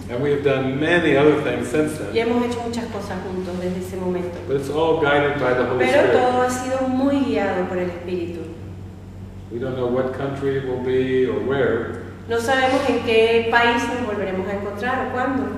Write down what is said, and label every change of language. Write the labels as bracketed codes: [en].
[en] And we have done many other things since then. [es] Y hemos hecho muchas cosas juntos desde ese momento. [en] But it's all guided by the Holy [es] Pero [en] Spirit. [es] Todo ha sido muy guiado por el Espíritu. [en] We don't know what country it will be or where. [es] No sabemos en qué país nos volveremos a encontrar o cuándo.